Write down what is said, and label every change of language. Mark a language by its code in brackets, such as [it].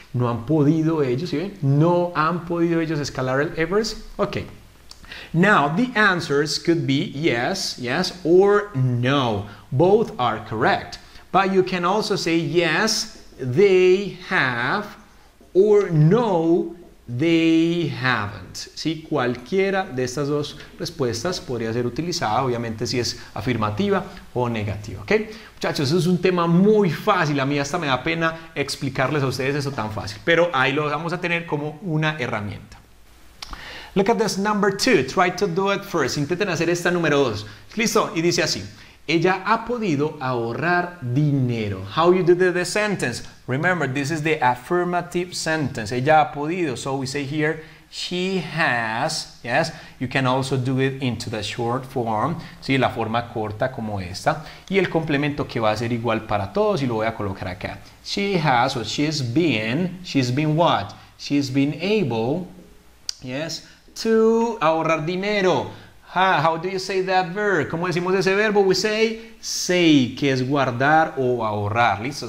[es] ¿No han podido ellos, ¿sí ven? ¿No han podido ellos escalar el Everest? Okay. [en] Now, the answers could be yes, or no. Both are correct. But you can also say yes, they have, or no, they haven't. [es] Sí, cualquiera de estas dos respuestas podría ser utilizada, obviamente si es afirmativa o negativa, ¿ok? Muchachos, eso es un tema muy fácil. A mí hasta me da pena explicarles a ustedes eso tan fácil. Pero ahí lo vamos a tener como una herramienta. [en] Look at this number two. Try to do it first. [es] Intenten hacer esta número dos. Listo, y dice así. Ella ha podido ahorrar dinero. [en] How you do the sentence? Remember, this is the affirmative sentence. [es] Ella ha podido. [en] So we say here, she has. Yes, you can also do it into the short form. [es] Sí, la forma corta como esta. Y el complemento que va a ser igual para todos y lo voy a colocar acá. [en] She has, or she's been what? She's been able, yes, to [es] ahorrar dinero. [en] How do you say that verb? [es] ¿Cómo decimos ese verbo? [en] We say save, [es] que es guardar o ahorrar. ¿Listo?